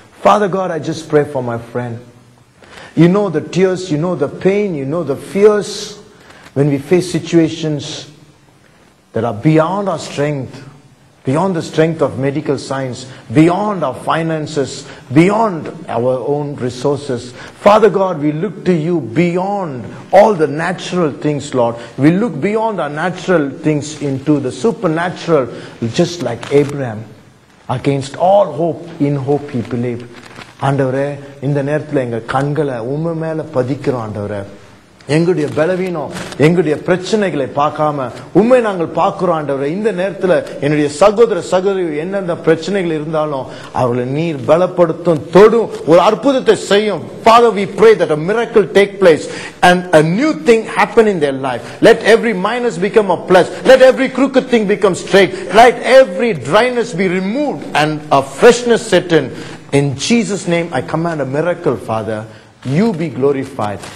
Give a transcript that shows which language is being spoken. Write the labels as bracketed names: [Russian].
[English] Father God, I just pray for my friend. You know the tears, you know the pain, you know the fears when we face situations that are beyond our strength, beyond the strength of medical science, beyond our finances, beyond our own resources. Father God, we look to you beyond all the natural things, Lord. We look beyond our natural things into the supernatural, just like Abraham. Against all hope, in hope he believed. [Tamil] ஆண்டவரே, இந்த நேரத்தில் எங்கள் கண்களை உண்மை மேலே பதிக்கிறோம். ஆண்டவரே, எங்களுடைய பலவீனம், எங்களுடைய பிரச்சனைகளை பார்க்காம உண்மை நாங்கள் பார்க்குறோம். ஆண்டவரே, இந்த நேரத்தில் என்னுடைய சகோதர சகோதரி என்னென்ன பிரச்சனைகள் இருந்தாலும் அவர்களை நீர் பலப்படுத்தும், தொடும், ஒரு அற்புதத்தை செய்யும். [English] Father, we pray that a miracle take place and a new thing happen in their life. Let every minus become a plus. Let every crooked thing become straight. Let every dryness be removed and a freshness set in. In Jesus' name, I command a miracle, Father. You be glorified.